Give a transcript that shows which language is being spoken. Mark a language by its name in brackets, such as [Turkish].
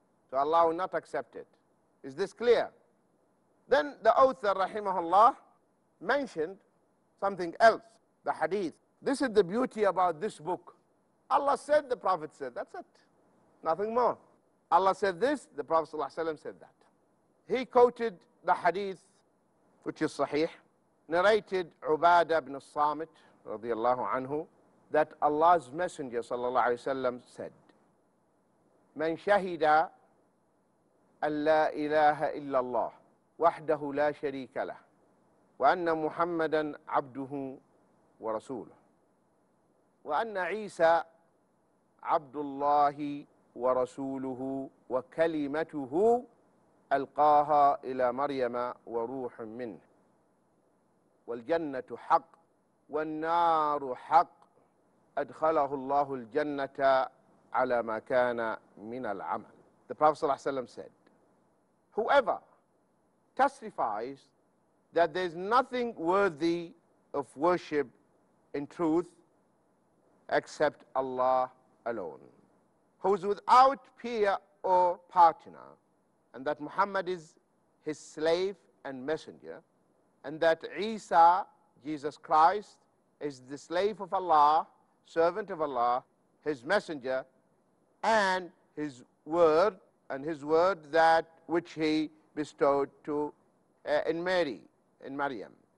[English] So Allah will not accept it. Is this clear? Then the author, rahimahullah, mentioned something else, the hadith. This is the beauty about this book. Allah said, the Prophet said, that's it. Nothing more. Allah said this, the Prophet ﷺ said that. He quoted the hadith, which is sahih, narrated Ubadah ibn Samit, [Arabic] radiallahu anhu, [English] that Allah's Messenger [Arabic] sallallahu alayhi wa sallam [English] said, [Arabic] من شهد أن لا إله إلا الله وحده لا شريك له وأن محمدا عبده ورسوله وأن عيسى عبد الله ورسوله وكلمته ألقاها إلى مريم وروح منه والجنة حق والنار حق أدخله الله الجنة على ما كان من العمل. [English] The Prophet [Arabic] صلى الله عليه وسلم [English] said, whoever testifies that there is nothing worthy of worship in truth except Allah alone, who is without peer or partner, and that Muhammad is his slave and messenger, and that Isa, Jesus Christ, is the slave of Allah, servant of Allah, his messenger, and his word, and his word that which he bestowed to in Maryam,